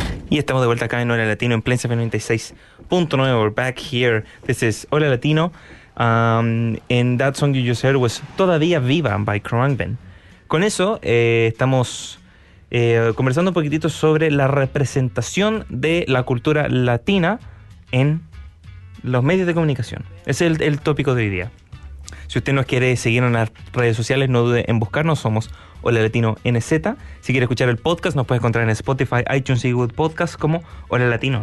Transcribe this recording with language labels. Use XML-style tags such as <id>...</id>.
<es>Y estamos de vuelta acá en Hola Latino en Plains FM 96.9.</es> <en>We're back here. This is Hola Latino. And that song you just heard was Todavía Viva by Crumbin.</en> <es>Con eso estamos conversando un poquitito sobre la representación de la cultura latina en los medios de comunicación. Ese es el tópico de hoy día. Si usted nos quiere seguir en las redes sociales, no dude en buscarnos. Somos Hola Latino NZ. Si quiere escuchar el podcast, nos puede encontrar en Spotify, iTunes y Google Podcast como Hola Latino.</es>